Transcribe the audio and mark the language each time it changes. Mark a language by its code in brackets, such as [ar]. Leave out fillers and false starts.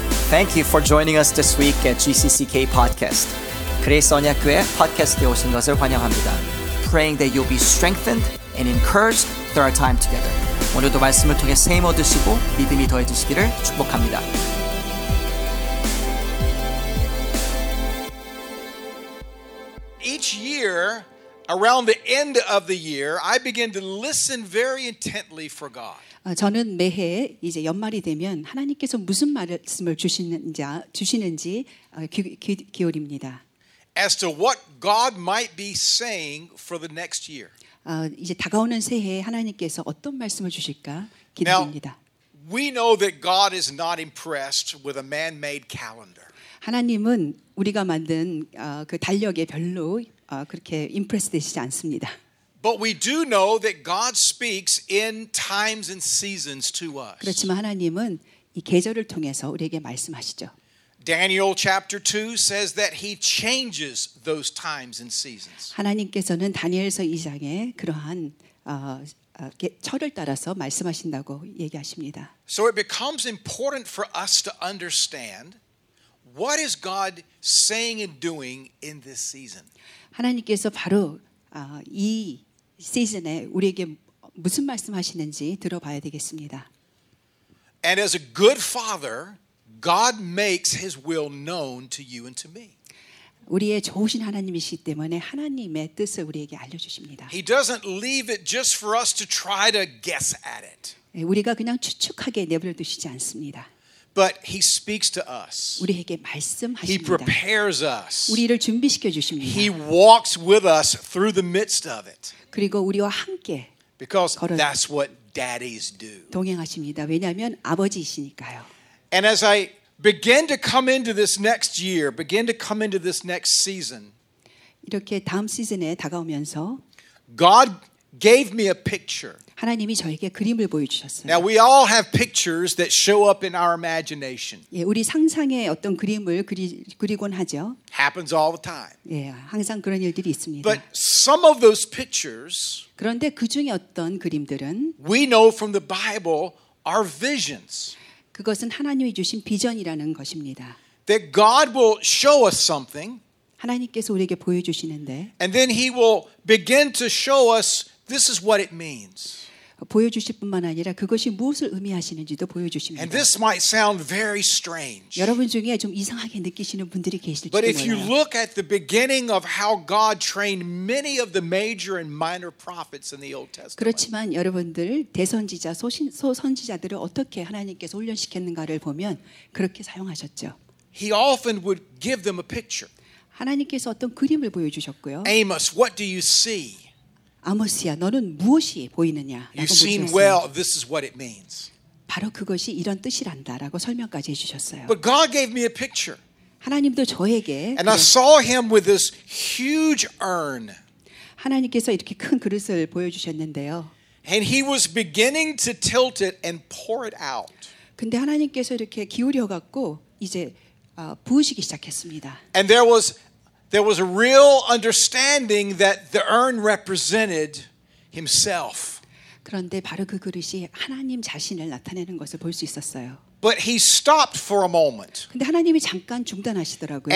[en] Thank you for joining us this week at GCCK Podcast. [ko] 그레이스 언약교회 팟캐스트에 오신 것을 환영합니다. [en] Praying that you'll be strengthened and encouraged through our time together. [ko] 오늘도 말씀을 통해 세임 얻으시고 믿음이 더해지시기를 축복합니다. [en] Each year, around the end of the year, I begin to listen very intently for God. [ko] 저는 매해 이제 연말이 되면 하나님께서 무슨 말씀을 주시는지 기울입니다. [en] As to what God might be saying for the next year. [ko] 이제 다가오는 새해에 하나님께서 어떤 말씀을 주실까 기대됩니다. [en] We know that God is not impressed with a man-made calendar. [ko] 하나님은 우리가 만든 그 달력에 별로 그렇게 impressed 되시지 않습니다. [en] But we do know that God speaks in times and seasons to us. [ko] 그렇지만 하나님은 이 계절을 통해서 우리에게 말씀하시죠. [en] Daniel chapter 2 says that he changes those times and seasons. [ko] 하나님께서는 다니엘서 2장에 그러한 철을 따라서 말씀하신다고 얘기하십니다. [en] So it becomes important for us to understand what is God saying and doing in this season. [ko] 하나님께서 바로 이 시즌에 우리에게 무슨 말씀하시는지 들어봐야 되겠습니다. [en] And as a good father, God makes His will known to you and to me. [ko] 우리의 좋으신 하나님이시기 때문에 하나님의 뜻을 우리에게 알려주십니다. [en] He doesn't leave it just for us to try to guess at it. [ko] 우리가 그냥 추측하게 내버려두시지 않습니다. [en] But He speaks to us. [ko] 우리에게 말씀하십니다. [en] He prepares us. [ko] 우리를 준비시켜 주십니다. [en] He walks with us through the midst of it. [ko] 그리고 우리와 함께 [en] Because that's what daddies do. [ko] 동행하십니다. 왜냐하면 아버지이시니까요. [en] And as I begin to come into this next year, begin to come into this next season, [ko] 이렇게 다음 시즌에 다가오면서 [en] God gave me a picture. [ko] 하나님이 저에게 그림을 보여주셨어요. [en] Now we all have pictures that show up in our imagination. [ko] 예, 우리 상상에 어떤 그림을 그리곤 하죠. [en] Happens all the time. [ko] 예, 항상 그런 일들이 있습니다. [en] But some of those pictures, [ko] 그런데 그 중에 어떤 그림들은 [en] we know from the Bible are visions. [ko] 그것은 하나님이 주신 비전이라는 것입니다. [en] That God will show us something. [ko] 하나님께서 우리에게 보여주시는데. [en] And then He will begin to show us this is what it means. [ko] 보여주실 뿐만 아니라 그것이 무엇을 의미하시는지도 보여주십니다. [en] And this might sound very strange. [ko] 여러분 중에 좀 이상하게 느끼시는 분들이 계실지 몰라요. [en] But if you look at the beginning of how God trained many of the major and minor prophets in the Old Testament. [ko] 그렇지만 여러분들 대선지자 소선지자들을 어떻게 하나님께서 훈련시켰는가를 보면 그렇게 사용하셨죠. [en] He often would give them a picture. [ko] 하나님께서 어떤 그림을 보여주셨고요. [en] Amos, what do you see? [ko] 아모스야, 너는 무엇이 보이느냐? [en] You've seen well. This is what it means. [ko] 바로 그것이 이런 뜻이란다라고 설명까지 해주셨어요. [en] But God gave me a picture. [ko] 하나님도 저에게. [en] And I saw him with this huge urn. [ko] 하나님께서 이렇게 큰 그릇을 보여주셨는데요. [en] And he was beginning to tilt it and pour it out. [ko] 근데 하나님께서 이렇게 기울여 갖고 이제 부으시기 시작했습니다. [en] And there was There was a real understanding that the urn represented himself. [ko] 그런데 바로 그 그릇이 하나님 자신을 나타내는 것을 볼 수 있었어요. [en] But he stopped for a moment. [ko] 근데 하나님이 잠깐 중단하시더라고요.